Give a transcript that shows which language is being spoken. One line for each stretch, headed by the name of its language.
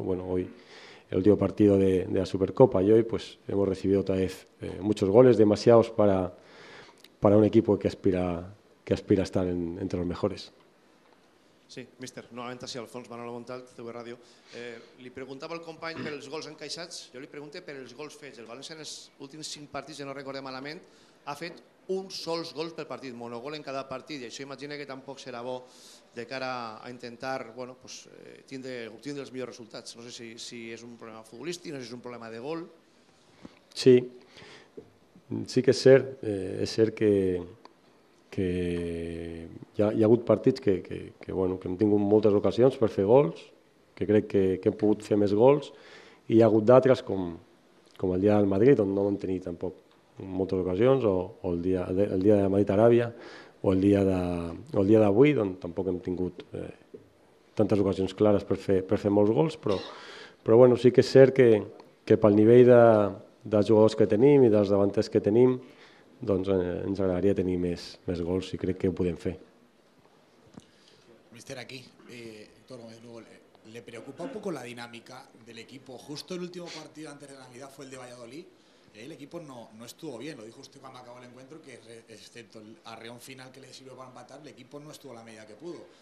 Spanish: Bueno, hoy el último partido de la Supercopa y hoy pues hemos recibido otra vez muchos goles, demasiados para un equipo que aspira a estar entre los mejores. Sí, míster, nuevamente así Alfons Manolo Montal, TV Radio.
Catalan: Li preguntava al company pels gols encaixats, jo li pregunto pels gols fets. El València en els últims 5 partits, si no recordo malament, ha fet un sol gol per partit, monogol en cada partit, i això imagina que tampoc serà bo de cara a intentar, bueno, pues, obtindre els millors resultats. No sé si és un problema futbolístic, no sé si és un problema de gol. Sí, sí que és cert que hi ha hagut partits que bueno, que hem tingut moltes ocasions per fer gols, que crec que hem pogut fer més gols, i hi ha hagut d'altres com el dia del Madrid, on no vam tenir tampoc moltes ocasions, o el dia de Madrid-Aràbia, o el dia d'avui, on tampoc hem tingut tantes ocasions clares per fer molts gols, però bueno, sí que és cert que pel nivell dels jugadors que tenim i dels davanters que tenim, doncs ens agradaria tenir més gols i crec que ho podem fer.
Spanish: Mister, aquí, torno de nuevo. ¿Le preocupa un poco la dinámica del equipo? Justo el último partido antes de Navidad fue el de Valladolid. El equipo no estuvo bien, lo dijo usted cuando acabó el encuentro, que excepto el arreón final que le sirvió para empatar, el equipo no estuvo a la medida que pudo.